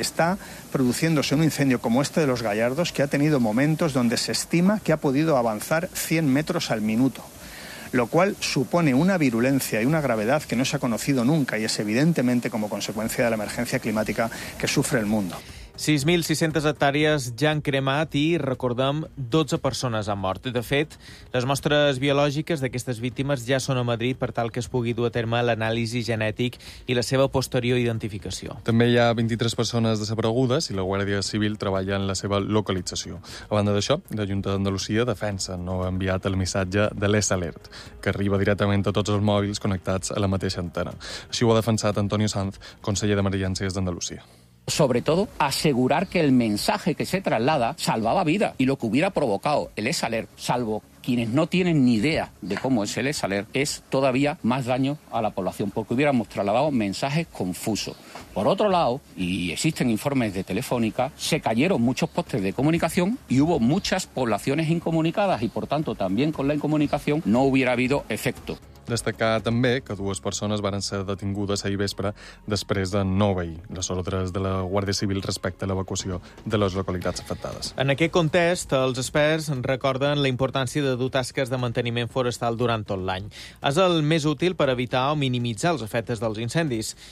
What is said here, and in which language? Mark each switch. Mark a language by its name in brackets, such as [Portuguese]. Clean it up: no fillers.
[Spanish] Está produciéndose un incendio como este de Los Gallardos que ha tenido momentos donde se estima que ha podido avanzar 100 metros al minuto, lo cual supone una virulencia y una gravedad que no se ha conocido nunca y es evidentemente como consecuencia de la emergencia climática que sufre el mundo. [Catalan] 6.600 hectàrees ja han cremat i, recordem, 12 persones han mort. De fet, les mostres biològiques d'aquestes víctimes ja són a Madrid per tal que es pugui dur a terme l'anàlisi genètic i la seva posterior identificació. També hi ha 23 persones desaparegudes i la Guàrdia Civil treballa en la seva localització. A banda d'això, la Junta d'Andalusia defensa no ha enviat el missatge de l'S-Alert, que arriba directament a tots els mòbils connectats a la mateixa antena. Així ho ha defensat Antonio Sanz, conseller d'Emergències d'Andalusia. [Spanish] Sobre todo, asegurar que el mensaje que se traslada salvaba vida y lo que hubiera provocado el S-Alert, salvo quienes no tienen ni idea de cómo es el S-Alert, es todavía más daño a la población porque hubiéramos trasladado mensajes confusos. Por otro lado, y existen informes de Telefónica, se cayeron muchos postes de comunicación y hubo muchas poblaciones incomunicadas y, por tanto, también con la incomunicación no hubiera habido efecto. [Catalan] Destacar també que dues persones varen ser detingudes ahir vespre després de no obeir les ordres de la Guàrdia Civil respecte a l'evacuació de les localitats afectades. En aquest context, els experts recorden la importància de dur tasques de manteniment forestal durant tot l'any. És el més útil per evitar o minimitzar els efectes dels incendis.